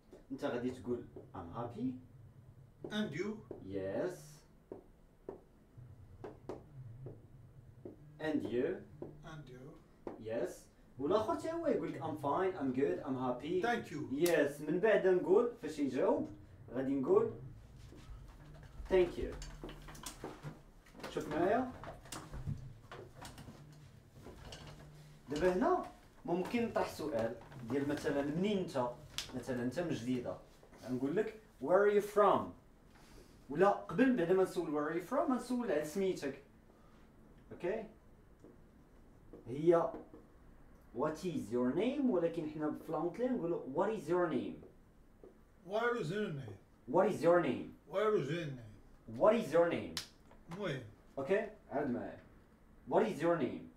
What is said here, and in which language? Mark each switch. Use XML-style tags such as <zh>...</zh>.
<ar>Nta ghadi tqoul</ar> <en>I'm happy. And you? Yes. And you? And you? Yes.</en> <ar>والآخر تاعو يقول لك</ar> <en>I'm fine, I'm good, I'm happy. Thank you. Yes.</en> <ar>من بعد نقول فاش يجاوب غادي نقول</ar> <en>Thank you.</en> <ar>شوف معايا. دابا هنا ممكن نطرح سؤال ديال مثلا منين أنت؟ مثلا أنت من جديدة. نقول لك</ar> <en>Where are you from?</en> <ar>ولا قبل بعد ما نسول</ar> <en>Where are you from؟</en> <ar>نسول على سميتك.</ar> <en>Okay؟ هي what is your name</en> <ar>ولكن احنا في الانجليزي نقولوا</ar> <en>what is your name where is your name what is your name where is your name what is your name</en> <ar>مهم اوكي عاد معايا</ar> <en>what is your name</en>